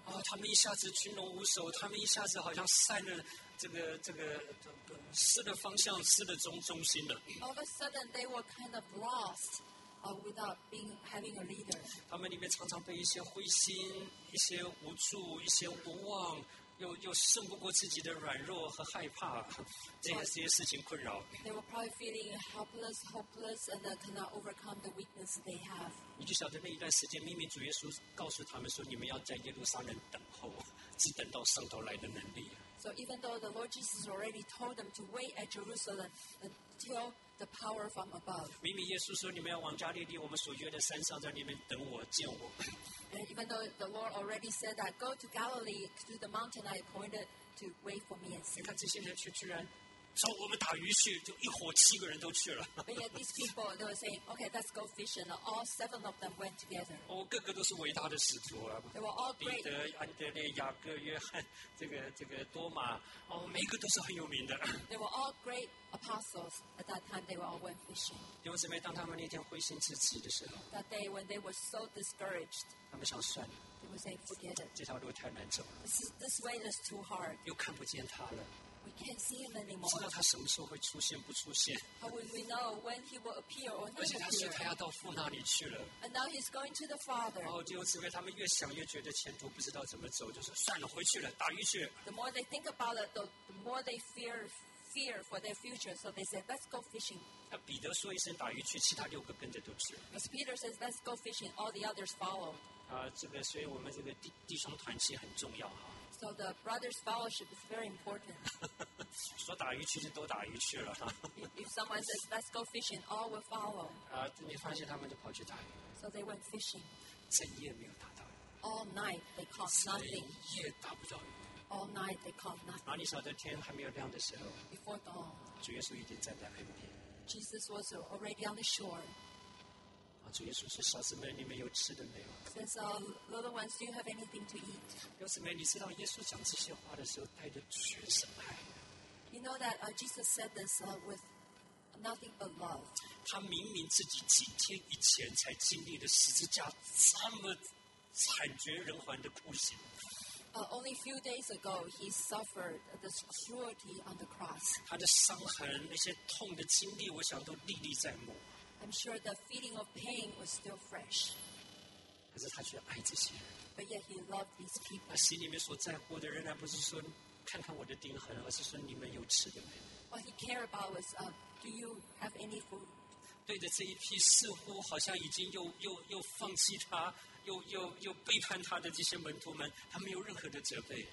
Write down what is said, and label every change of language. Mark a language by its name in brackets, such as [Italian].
[Chinese] 哦，他们一下子群龙无首，他们一下子好像散了。这个失了方向，失了中心的。 [English] All of a sudden, they were kind of lost, without being having a leader. [Chinese] 他们里面常常被一些灰心、一些无助、一些无望，又胜不过自己的软弱和害怕，这些事情困扰。 [English] They were probably feeling helpless, hopeless, and that cannot overcome the weakness they have. [Chinese] 你就晓得那一段时间，明明主耶稣告诉他们说，你们要在耶路撒冷等候，只等到上头来的能力。 [English] So even though the Lord Jesus already told them to wait at Jerusalem until the power from above. [Chinese] 明明耶稣说你们要往加利利我们所约的山上在那边等我见我。 [English] And even though the Lord already said that, go to Galilee, to the mountain I appointed to wait for me and see. [Chinese] 你看这些人却居然说我们打鱼去，就一伙七个人都去了。 [English] But yet these people, they were saying, okay, let's go fishing. All 7 of them went together. [Chinese] 哦，个个都是伟大的使徒啊。 [English] They were all great. [Chinese] 彼得、安德烈、雅各、约翰、这个多马，哦，每个都是很有名的。 [English] They were all great apostles. At that time, they were all went fishing. [Chinese] 弟兄姊妹，当他们那天灰心自弃的时候 [English] ，That day when they were so discouraged. [Chinese] 他们想算了。 [English] They were saying, forget it. [Chinese] 这条路太难走了。 [English] This way is too hard. [Chinese] 又看不见他了。 [English] We can't see him anymore. [Chinese] 知道他什么时候会出现，不出现。 [English] How will we know when he will appear or not appear? [Chinese] 而且他说他要到父那里去了。 [English] And now he's going to the Father. [Chinese] 哦，弟兄姊妹，他们越想越觉得前途不知道怎么走，就是算了，回去了，打鱼去。 [English] The more they think about it, the more they fear for their future. So they said, "Let's go fishing." [Chinese] 那彼得说一声打鱼去，其他六个跟着都去了。 [English] As Peter says, "Let's go fishing," all the others follow. [Chinese] 这个，所以我们这个弟兄团契很重要哈。 [English] So the brothers' fellowship is very important. [Chinese] 说打鱼去就都打鱼去了。 [English] If someone says let's go fishing, all will follow. [Chinese] 你发现他们就跑去打鱼。 [English] So they went fishing. [Chinese] 整夜没有打到鱼。 [English] All night they caught nothing. [Chinese] 整夜打不到鱼。 [English] All night they caught nothing. [Chinese] 你晓得天还没有亮的时候。 [English] Before dawn. [Chinese] 主耶稣已经站在岸边。 [English] Jesus was already on the shore. [Chinese] 主耶稣说：“小姊妹，你们有吃的没有 [English] ？”Says little ones, do you have anything to eat? [Chinese] 小姊妹，你知道耶稣讲这些话的时候带着全什么爱 [English] ？You know that Jesus said this with nothing but love. [Chinese] 他明明自己几天以前才经历了十字架这么惨绝人寰的酷刑。 [English] Only a few days ago, he suffered the cruelty on the cross. [Chinese] 他的伤痕，那些痛的经历，我想都历历在目。 [English] I'm sure the feeling of pain was still fresh. [Chinese] 可是他却爱这些人。 [English] But yet he loved these people. [Chinese] 他心里面所在乎的人，而不是说看看我的钉痕，而是说你们有吃的没？ [English] What he cared about was, do you have any food? [Chinese] 对着这一批似乎好像已经又放弃他。又背叛他的这些门徒们，他没有任何的责备。